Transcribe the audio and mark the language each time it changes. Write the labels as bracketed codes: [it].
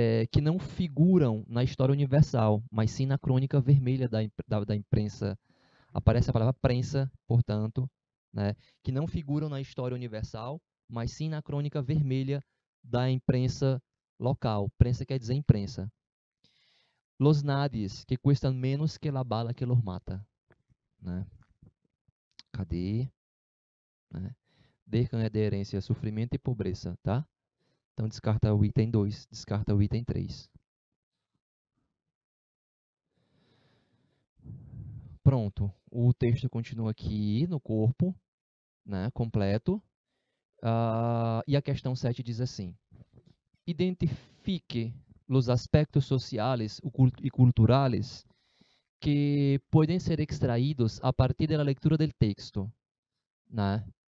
[pt] Que não figuram na história universal, mas sim na crônica vermelha da imprensa. Aparece a palavra prensa, portanto, né? Que não figuram na história universal, mas sim na crônica vermelha da imprensa local. Prensa quer dizer imprensa. [es] Los nadies, que custam menos que la bala que los mata. [pt] Né? Cadê? Né? [es] Dejan de herencia, [pt] sufrimento e pobreza, tá? Então descarta o item 2, descarta o item 3. Pronto, o texto continua aqui no corpo, né? Completo. E a questão 7 diz assim: identifique [es] los aspectos sociales y culturales que pueden ser extraídos a partir de la lectura del texto, ¿no?